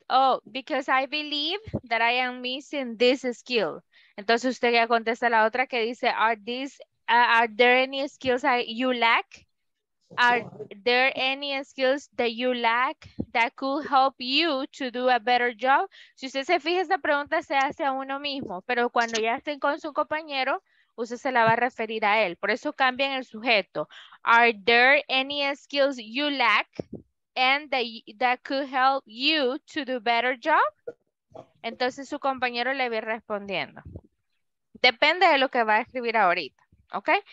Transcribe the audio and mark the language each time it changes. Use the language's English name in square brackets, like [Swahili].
[English] Oh, because I believe that I am missing this skill. [Spanish] Entonces usted ya contesta la otra que dice, [English] are there any skills that you lack? Are there any skills that you lack that could help you to do a better job? [Spanish] Si usted se fija, esa pregunta se hace a uno mismo, pero cuando ya estén con su compañero, usted se la va a referir a él. Por eso cambian el sujeto. [English] Are there any skills you lack and that could help you to do a better job? [Spanish] Entonces su compañero le va respondiendo. Depende de lo que va a escribir ahorita, ¿ok?